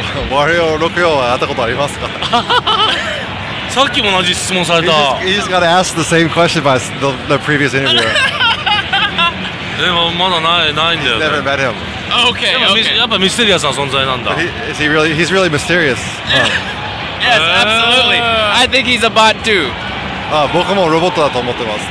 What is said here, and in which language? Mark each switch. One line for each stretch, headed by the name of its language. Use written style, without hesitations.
Japanese: Wario64 は会ったことありますか？さっきも同じ質問された。
English: He's gotta ask the same question by the previous interviewer.
Japanese: でもまだないんだよ、ね。
English: He's never met him. Okay, okay.
Japanese: やっぱミステリアスな存在なんだ。
English: He's really mysterious.、 Huh? Yes, absolutely. I think he's a bot too.
Japanese: あ、僕もロボットだと思ってます。